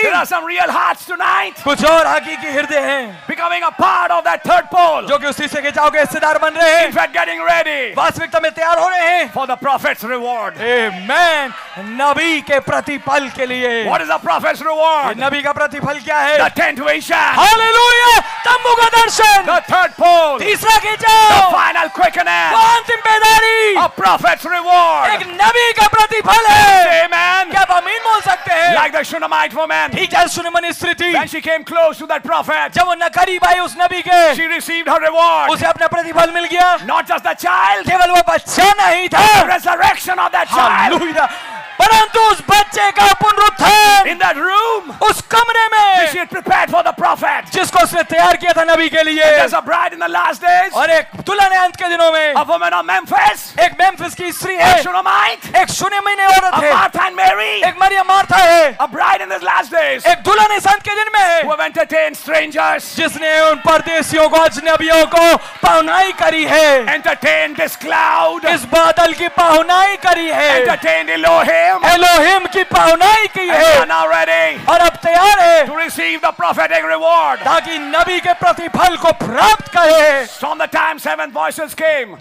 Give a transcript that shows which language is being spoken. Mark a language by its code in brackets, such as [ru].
[en] there are some real hearts tonight [hi] कुछ और आगे के हृदय हैं [en] becoming a part of that third pole [hi] जो कि उसी से के जाओगे हिस्सेदार बन रहे हैं [en] in fact getting ready [hi] वास्तविकता में तैयार हो रहे हैं [en] for the prophet's reward [hi] amen नबी के प्रतिफल के लिए [en] what is the prophet's reward [hi] नबी का प्रतिफल क्या है [en] the tent vision [hi] hallelujah तंबू का दर्शन [en] the third pole [hi] तीसरा के जाओ [en] the final quickening [hi] अंतिम बेदारी [en] a prophet's reward [hi] एक नबी का प्रतिफल है amen क्या आप अमीन बोल सकते हैं [en] like the Shunammite woman [hi] ठीक है सुनमन स्त्री थी [en] when she came close to that prophet [hi] जब वो करीब आई उस नबी के [en] she received her reward [hi] उसे अपना प्रतिफल मिल गया [en] not just the child [hi] केवल वो बच्चा नहीं था [en] the resurrection of that child [hi] hallelujah परंतु उस बच्चे का पुनरुत्थान [en] in that room [hi] उस कमरे में [en] which she had prepared for the prophet [hi] जिसको उसने तैयार किया था नबी के लिए [en] and there's a bride in the last days [hi] और एक दुल्हन अंत के दिनों में [en] a woman of Memphis [hi] एक मेम्फिस की स्त्री है [en] a Shunammite [hi] एक शूनेमिनी औरत है [en] a Martha and Mary [hi] एक मरियम मार्था है [en] a bride in the last days [hi] एक दुल्हन इस अंत के दिन में [en] who have entertained strangers [hi] जिसने उन परदेशियों को अजनबियों को पहुनाई करी है [en] entertained this cloud [hi] इस बादल की पहुनाई करी है [en] entertained Elohim [hi] Elohim की पहुनाई की है [en] now ready [hi] और अब तैयार है [en] to receive the prophetic reward [hi] ताकि नबी के प्रतिफल को प्राप्त करे [en] from the time seven voices came